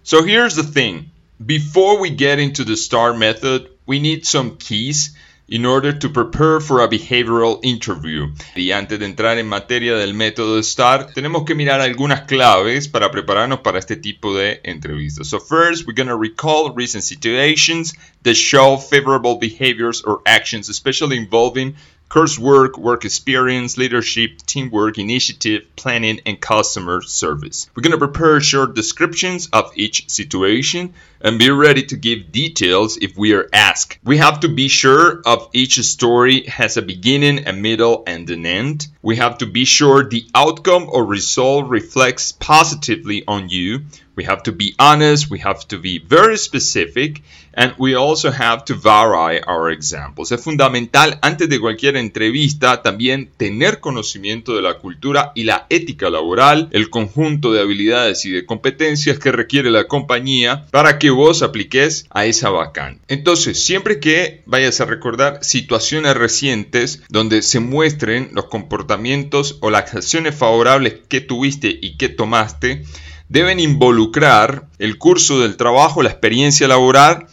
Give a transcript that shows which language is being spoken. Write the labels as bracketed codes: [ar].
[en] So here's the thing, before we get into the STAR method, we need some keys in order to prepare for a behavioral interview. [es] Y antes de entrar en materia del método STAR, tenemos que mirar algunas claves para prepararnos para este tipo de entrevistas. [en] So first, we're going to recall recent situations that show favorable behaviors or actions, especially involving coursework, work experience, leadership, teamwork, initiative, planning, and customer service. We're going to prepare short descriptions of each situation and be ready to give details if we are asked. We have to be sure of each story has a beginning, a middle, and an end. We have to be sure the outcome or result reflects positively on you. We have to be honest, we have to be very specific, and we also have to vary our examples. [es] Es fundamental, antes de cualquier entrevista, también tener conocimiento de la cultura y la ética laboral, el conjunto de habilidades y de competencias que requiere la compañía para que vos apliques a esa vacante. Entonces, siempre que vayas a recordar situaciones recientes donde se muestren los comportamientos o las acciones favorables que tuviste y que tomaste, deben involucrar el curso del trabajo, la experiencia laboral.